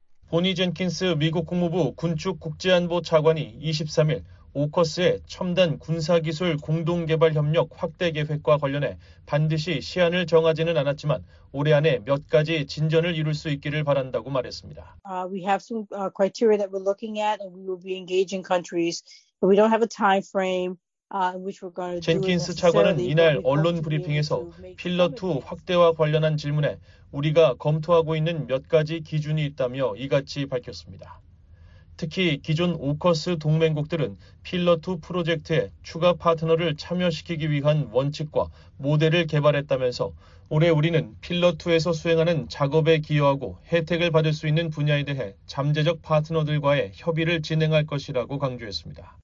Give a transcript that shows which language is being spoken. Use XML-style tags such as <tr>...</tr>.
<ko>보니 젠킨스 미국 국무부 군축국제안보차관이 23일 오커스의 첨단 군사기술 공동개발협력 확대 계획과 관련해 반드시 시한을 정하지는 않았지만 올해 안에 몇 가지 진전을 이룰 수 있기를 바란다고 말했습니다.</ko> <en>We have some criteria that we're looking at and we will be engaging countries, but we don't have a time frame.</en> <ko>젠킨스 차관은 이날 언론 브리핑에서 필러2 확대와 관련한 질문에 우리가 검토하고 있는 몇 가지 기준이 있다며 이같이 밝혔습니다. 특히 기존 오커스 동맹국들은 필러2 프로젝트에 추가 파트너를 참여시키기 위한 원칙과 모델을 개발했다면서 올해 우리는 필러2에서 수행하는 작업에 기여하고 혜택을 받을 수 있는 분야에 대해 잠재적 파트너들과의 협의를 진행할 것이라고 강조했습니다.</ko>